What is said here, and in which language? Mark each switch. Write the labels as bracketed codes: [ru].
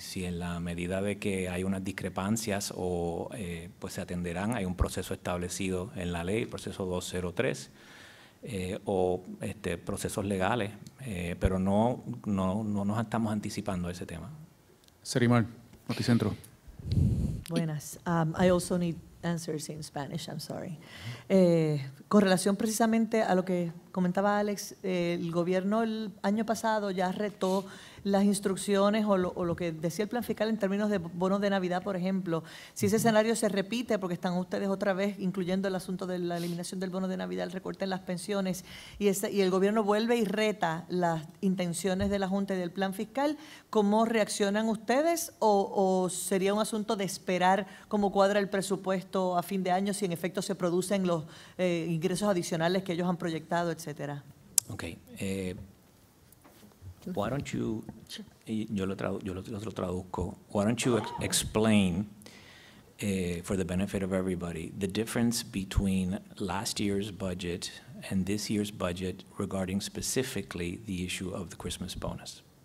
[es] Si en la medida de que hay unas discrepancias o pues se atenderán, hay un proceso establecido en la ley, el proceso 203, o procesos legales, pero no nos estamos anticipando a ese tema. Serimar, Noticentro. Buenas. [en] I also need answers in Spanish, I'm sorry. [es] Con relación precisamente a lo que comentaba Alex, el gobierno el año pasado ya retó las instrucciones o lo que decía el plan fiscal en términos de bonos de Navidad, por ejemplo. Si ese escenario se repite, porque están ustedes otra vez incluyendo el asunto de la eliminación del bono de Navidad, el recorte en las pensiones, y el gobierno vuelve y reta las intenciones de la Junta y del plan fiscal, ¿cómo reaccionan ustedes? ¿O sería un asunto de esperar cómo cuadra el presupuesto a fin de año si en efecto se producen los ingresos adicionales que ellos han proyectado, etcétera? Ok. [en] Why don't you, explain for the benefit of everybody the difference between last year's budget and this year's budget regarding specifically the issue of the Christmas bonus?